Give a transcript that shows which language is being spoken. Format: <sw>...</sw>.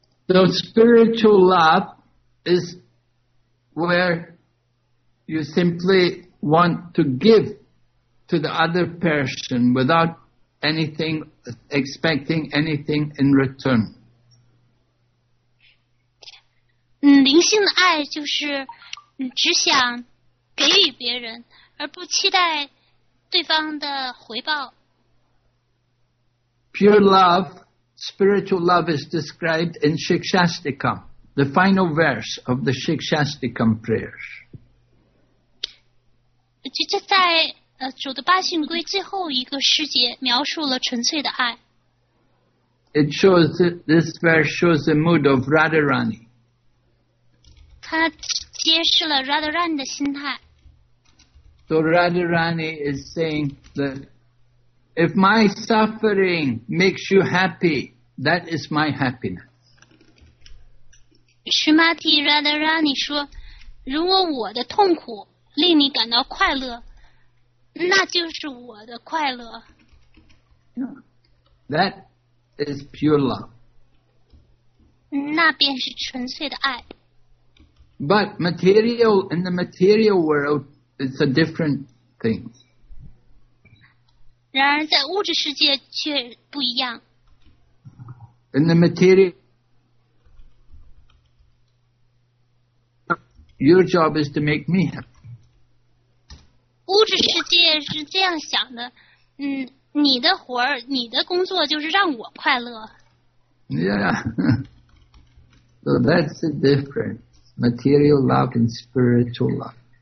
<en>So spiritual love is where you simply want to give to the other person without anything, expecting anything in return.</en> <zh>灵性的爱就是只想给予别人，而不期待对方的回报。</zh> <en>Pure love, spiritual love is described in Shikshastikam, the final verse of the Shikshastikam prayers.</en> <zh>就这在主的八训规最后一个诗节描述了纯粹的爱。</zh> <en>It shows this verse shows the mood of Radharani.</en> <zh>他揭示了 Radharani 的心态。</zh> <en>So Radharani is saying that if my suffering makes you happy, that is my happiness.</en> <zh>Shrimati Radharani 说，如果我的痛苦令你感到快乐，那就是我的快乐。</zh> <en>Yeah. That is pure love.</en> <zh>那便是纯粹的爱。</zh> <en>But material, in the material world, it's a different thing.</en> <zh>然而在物质世界却不一样。</zh> <en>In the material, your job is to make me happy.</en> <zh>物质世界是这样想的，你的活儿，你的工作就是让我快乐。</zh> <en>Yeah. So that's the difference. Material love and spiritual love.</en>